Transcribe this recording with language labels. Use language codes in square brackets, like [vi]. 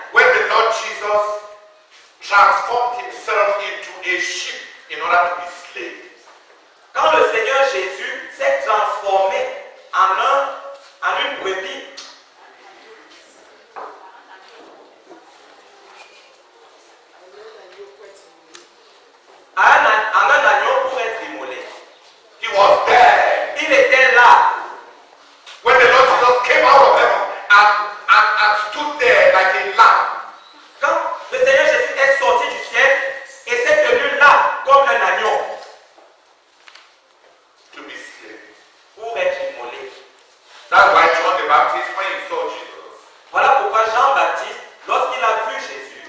[en] When the Lord Jesus transformed himself into a sheep in order to be slain. [fr] Quand le Seigneur Jésus s'est transformé en une brebis. En un agneau pour être immolé. [en] He was there. [fr] Il était là. [en] When the Lord Jesus came out of heaven and stood there like a lamb. [fr] Quand le Seigneur Jésus est sorti du ciel et s'est tenu là comme un agneau. [en] To be slain. [fr] Pour être immolé. [en] That's why John the Baptist, when he saw Jesus. [fr] Voilà pourquoi Jean Baptiste, lorsqu'il a vu Jésus,